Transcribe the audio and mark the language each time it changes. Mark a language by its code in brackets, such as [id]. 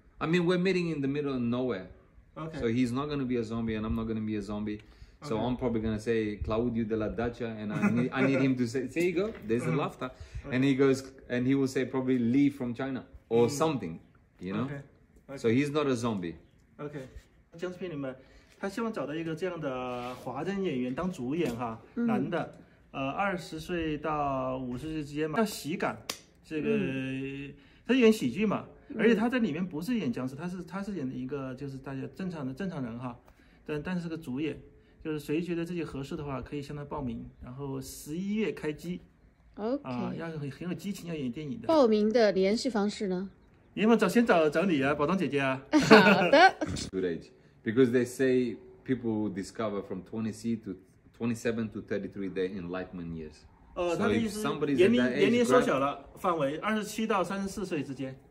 [en] I mean, we're meeting in the middle of nowhere. Okay. So he's not going to be a zombie and I'm not going to be a zombie. So okay. I'm probably going to say Claudio della Dacia and I need him to say, there you go, there's the laughter. Okay. And he goes, and he will say probably Lee from China or something, you know? Okay. So he's not a zombie. Okay. Just be in my... [zh] 他希望找到一个这样的华人演员当主演哈，男的，20岁到50岁之间嘛，叫喜感，这个他演喜剧嘛，而且他在里面不是演僵尸，他是演的一个就是大家正常人哈，但是个主演，就是谁觉得自己合适的话可以向他报名，然后11月开机 [en] ，OK， [zh] 啊，要很有激情要演电影的。报名的联系方式呢？你们先找你啊，宝藏姐姐啊。好的。 [en] Because they say people discover from 27 to 33 their enlightenment years. So if somebody's in that age, [zh] 年龄缩小了范围，27到34岁之间。